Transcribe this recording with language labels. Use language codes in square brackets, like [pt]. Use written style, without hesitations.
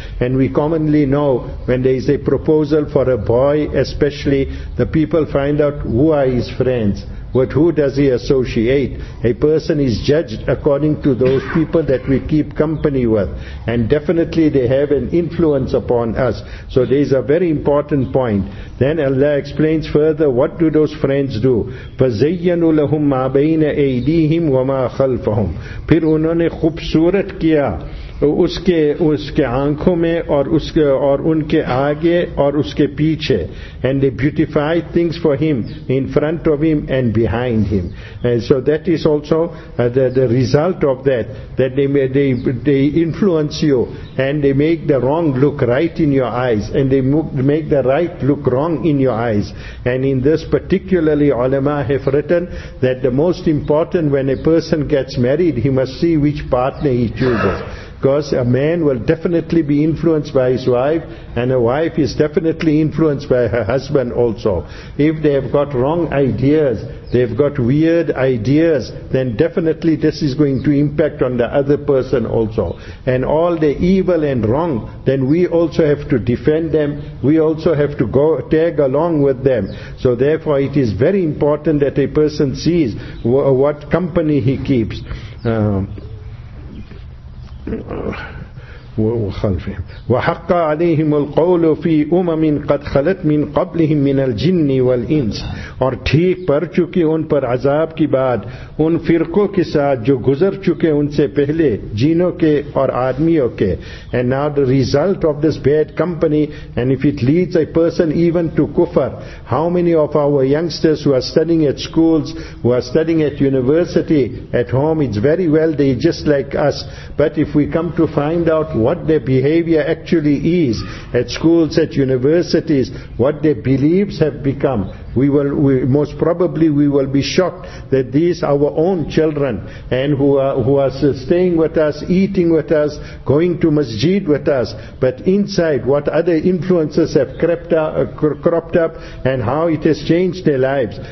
[en] And we commonly know when there is a proposal for a boy, especially the people find out who are his friends. With who does he associate? A person is judged according to those people that we keep company with. And definitely they have an influence upon us. So there is a very important point. Then Allah explains further, what do those friends do? [ar] فَزَيَّنُوا لَهُمْ مَا بَيْنَ أَيْدِيهِمْ وَمَا خَلْفَهُمْ [ur] پھر انہوں نے خوبصورت کیا اس کے آنکھوں میں اور اس کے اور ان کے آگے اور اس کے پیچھے. [en] And they beautify things for him in front of him and behind him. And so that is also the result of that they influence you and they make the wrong look right in your eyes and they make the right look wrong in your eyes. And in this particularly, ulama have written that the most important when a person gets married, he must see which partner he chooses. Because a man will definitely be influenced by his wife, and a wife is definitely influenced by her husband also. If they have got wrong ideas, they've got weird ideas, then definitely this is going to impact on the other person also. And all the evil and wrong, then we also have to defend them. We also have to go tag along with them. So therefore it is very important that a person sees what company he keeps. [ar] وخلفهم وحق عليهم القول في أمم قد خلت من قبلهم من الجن والإنس [ur] اور ٹھیک پر چکے ان پر عذاب کی بعد ان فرقوں کے ساتھ جو گزر چکے ان سے پہلے جنوں کے اور آدمیوں کے. [en] And now the result of this bad company, and if it leads a person even to kufr, how many of our youngsters who are studying at schools, who are studying at university, at home, it's very well, they just like us. But if we come to find out what their behavior actually is at schools, at universities, what their beliefs have become, we will most probably be shocked that these our own children, and who are staying with us, eating with us, going to masjid with us, but inside what other influences have cropped up and how it has changed their lives.